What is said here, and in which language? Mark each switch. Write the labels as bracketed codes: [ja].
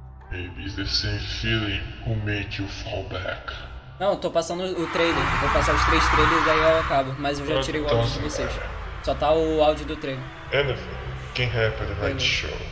[en] Maybe it's the same feeling who made you fall back. [pt] Não, tô passando o trailer. Vou passar os três trailers e aí eu acabo. Mas eu já tirei o áudio de vocês. Só tá o áudio do trailer. [en] Anything can happen in that show.